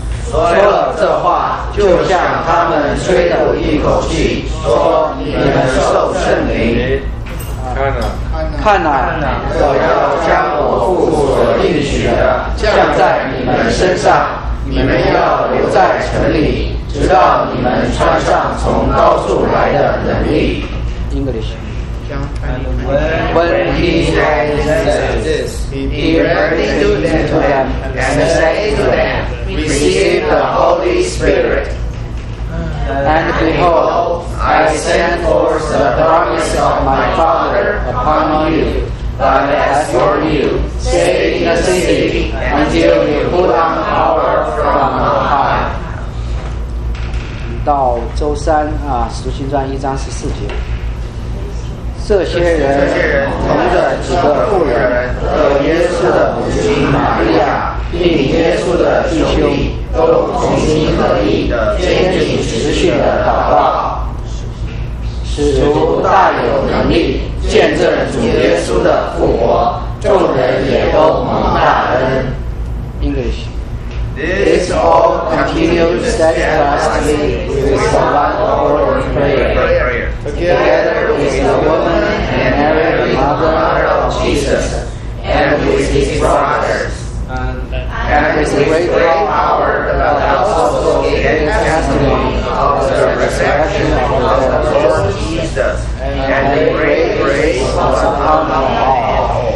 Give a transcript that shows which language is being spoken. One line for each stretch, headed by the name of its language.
Chinese: 说了这话，就向他们吹了一口气，说：“你们受圣灵。看哪，我要将我父所应许的降在你们身上，你们要留在城里，直到你们穿上从高处来的能力。”
English: English. And when he had said this, he directed them to them and said to them, Receive the Holy Spirit. And behold, I send forth the promise of my Father upon you, but as for you, stay in the city until you put on power from on high.
Chinese: 到周三啊，《使徒行传》1:14。这些人同着几个妇人和耶稣的母亲玛利亚并耶稣的弟兄都同心合意的坚定持续的祷告使徒大有能力见证主耶稣的复活众人也都蒙大恩
English: English This all continued steadfastly with the one Lord in prayer. Together with the woman and Mary, the mother of Jesus, and with his brothers. And with great power, the apostles gave testimony of the resurrection of the Lord Jesus, and the great grace was upon them all.